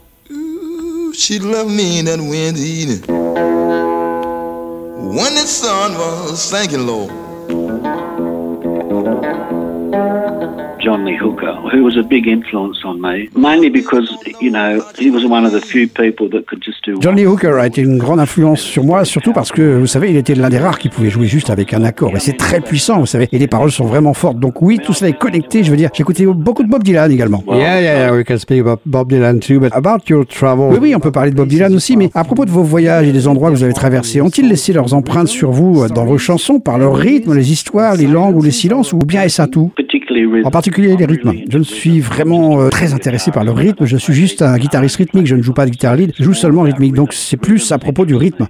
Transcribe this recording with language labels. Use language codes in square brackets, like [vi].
[en] Ooh, she loved me that Wednesday when the sun was sinking low. John Lee Hooker, who was a big influence on me, mainly because, you know, he was one of the few people that could just do... [fr] John Lee Hooker a été une grande influence sur moi, surtout parce que, vous savez, il était l'un des rares qui pouvait jouer juste avec un accord. Et c'est très puissant, vous savez, et les paroles sont vraiment fortes. Donc oui, tout cela est connecté, je veux dire. J'écoutais beaucoup de Bob Dylan également. [en] Yeah, we can speak about Bob Dylan too, but about your travel... [fr] Oui, on peut parler de Bob Dylan aussi, mais à propos de vos voyages et des endroits que vous avez traversés, ont-ils laissé leurs empreintes sur vous dans vos chansons, par leur rythme, les histoires, les langues ou les silences, ou bien est-ce un tout? En particulier les rythmes. Je ne suis vraiment très intéressé par le rythme. Je suis juste un guitariste rythmique. Je ne joue pas de guitare lead. Je joue seulement rythmique. Donc c'est plus à propos du rythme.